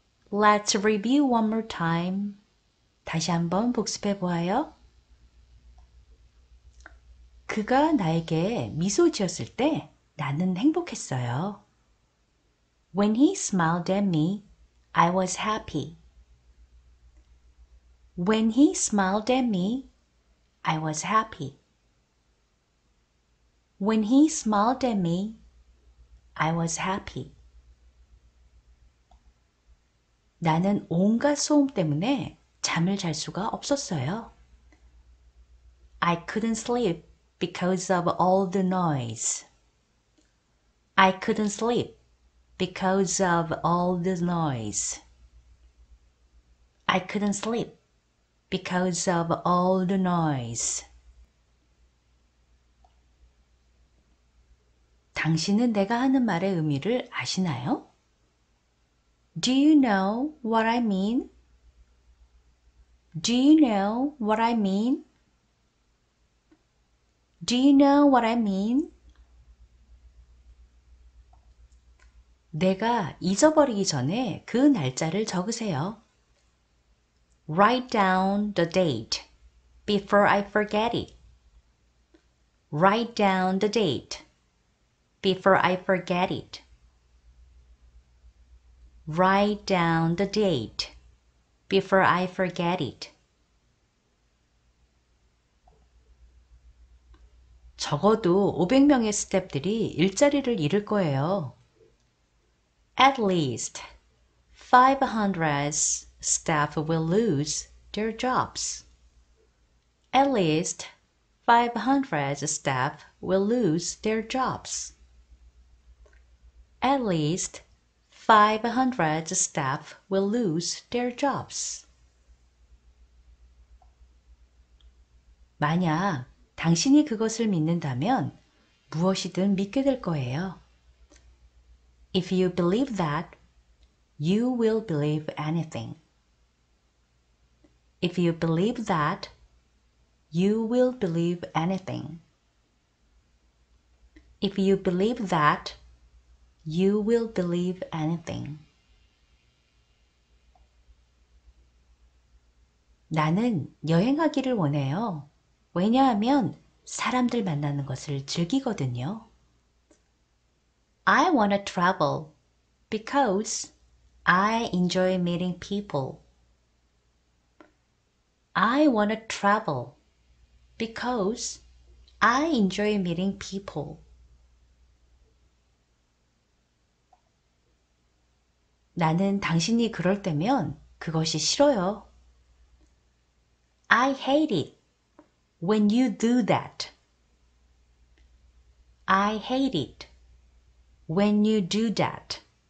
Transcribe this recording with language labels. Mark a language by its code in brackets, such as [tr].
[en] Let's review one more time. [ko] 다시 한번 복습해 보아요. 그가 나에게 미소 지었을 때 나는 행복했어요. [en] When he smiled at me, I was happy. When he smiled at me, I was happy. When he smiled at me, I was happy. [ko] 나는 온갖 소음 때문에 잠을 잘 수가 없었어요. [en] I couldn't sleep because of all the noise. I couldn't sleep because of all the noise. I couldn't sleep. Because of all the noise. [ko] 당신은 내가 하는 말의 의미를 아시나요? [en] Do you know what I mean? Do you know what I mean? Do you know what I mean? [ko] 내가 잊어버리기 전에 그 날짜를 적으세요. [en] Write down the date before I forget it. Write down the date before I forget it. Write down the date before I forget it. [ko] 적어도 500명의 스태프들이 일자리를 잃을 거예요. [en] At least 500 staff will lose their jobs. At least 500 staff will lose their jobs. At least 500 staff will lose their jobs. [ko] 만약 당신이 그것을 믿는다면 무엇이든 믿게 될 거예요. [en] If you believe that, you will believe anything. If you believe that, you will believe anything. If you believe that, you will believe anything. [ko] 나는 여행하기를 원해요. 왜냐하면 사람들 만나는 것을 즐기거든요. [en] I want to travel because I enjoy meeting people. I want to travel because I enjoy meeting people. [ko] 나는 당신이 그럴 때면 그것이 싫어요. [en] I hate it when you do that. I hate it when you do that.